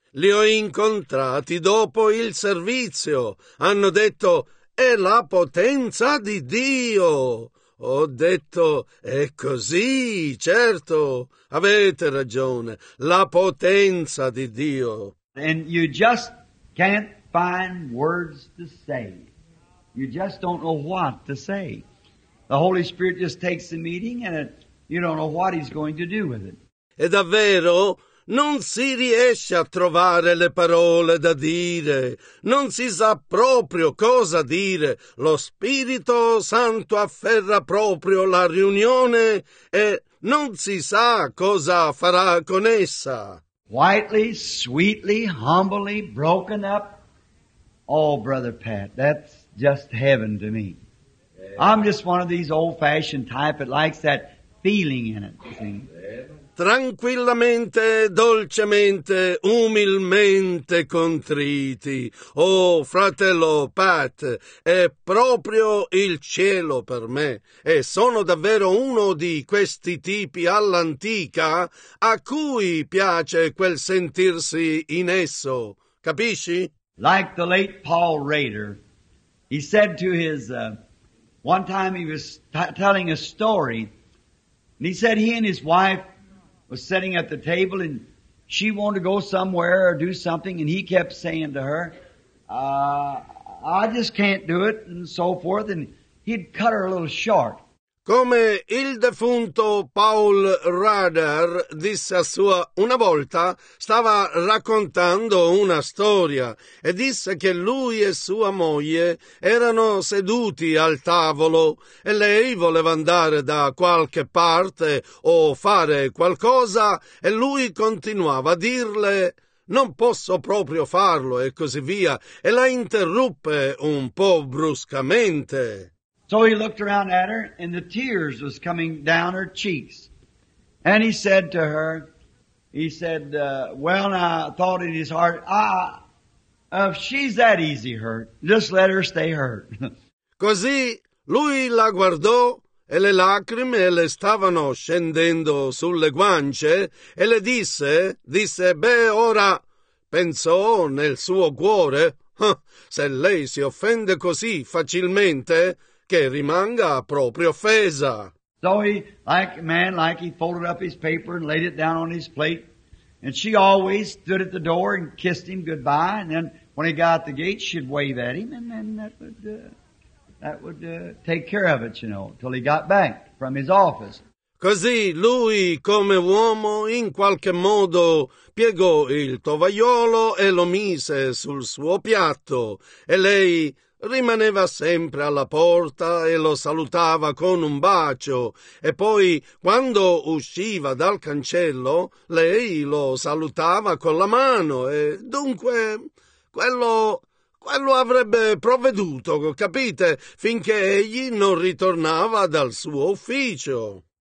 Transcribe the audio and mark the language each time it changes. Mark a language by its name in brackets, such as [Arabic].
[Italian] Li ho incontrati dopo il servizio. Hanno detto, è la potenza di Dio. Ho detto, è così, certo. Avete ragione, la potenza di Dio. [English] And you just can't find words to say. You just don't know what to say. The Holy Spirit just takes the meeting and you don't know what he's going to do with it. [Italian] È davvero? Non si riesce a trovare le parole da dire, non si sa proprio cosa dire. Lo Spirito Santo afferra proprio la riunione e non si sa cosa farà con essa. [English] Quietly, sweetly, humbly, broken up. Oh, Brother Pat, that's just heaven to me. I'm just one of these old-fashioned type that likes that feeling in it, you see. [Italian] Tranquillamente, dolcemente, umilmente contriti. Oh, fratello Pat, è proprio il cielo per me. E sono davvero uno di questi tipi all'antica a cui piace quel sentirsi in esso. Capisci? [English] Like the late Paul Rader, he said to his... one time he was telling a story, and he said he and his wife was sitting at the table, and she wanted to go somewhere or do something, and he kept saying to her, I just can't do it, and so forth, and he'd cut her a little short. [Italian] Come il defunto Paul Rader disse a sua, una volta stava raccontando una storia e disse che lui e sua moglie erano seduti al tavolo e lei voleva andare da qualche parte o fare qualcosa e lui continuava a dirle non posso proprio farlo e così via e la interruppe un po' bruscamente. [English] So he looked around at her, and the tears was coming down her cheeks. And he said to her, well, now, thought in his heart, if she's that easy hurt, just let her stay hurt. [Italian] Così lui la guardò, e le lacrime le stavano scendendo sulle guance, e le disse, beh, ora, pensò nel suo cuore, se lei si offende così facilmente... che rimanga proprio offesa. [English] So he, like man, like he folded up his paper and laid it down on his plate, and she always stood at the door and kissed him goodbye, and then when he got at the gate, she'd wave at him, and then that would take care of it, you know, till he got back from his office. [Italian] Così lui, come uomo, in qualche modo piegò il tovagliolo e lo mise sul suo piatto, e lei rimaneva sempre alla porta e lo salutava con un bacio, e poi, quando usciva dal cancello, lei lo salutava con la mano, e dunque quello avrebbe provveduto, capite, finché egli non ritornava dal suo ufficio.